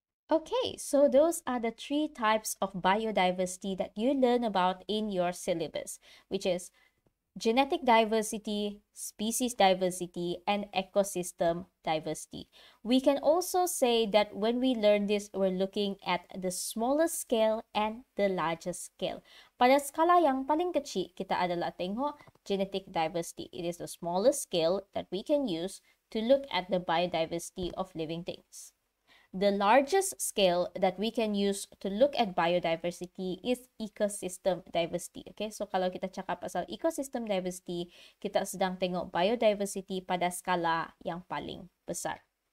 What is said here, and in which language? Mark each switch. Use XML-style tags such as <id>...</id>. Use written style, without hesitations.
<en>Okay, so those are the three types of biodiversity that you learn about in your syllabus, which is genetic diversity, species diversity, and ecosystem diversity. We can also say that when we learn this, we're looking at the smallest scale and the largest scale.</en> <ms>Pada skala yang paling kecil, kita adalah tengok genetic diversity.</ms> <en>It is the smallest scale that we can use to look at the biodiversity of living things. The largest scale that we can use to look at biodiversity is ecosystem diversity.</en> <ms>Okay, so kalau kita cakap pasal ecosystem diversity, kita sedang tengok biodiversity pada skala yang paling besar.</ms>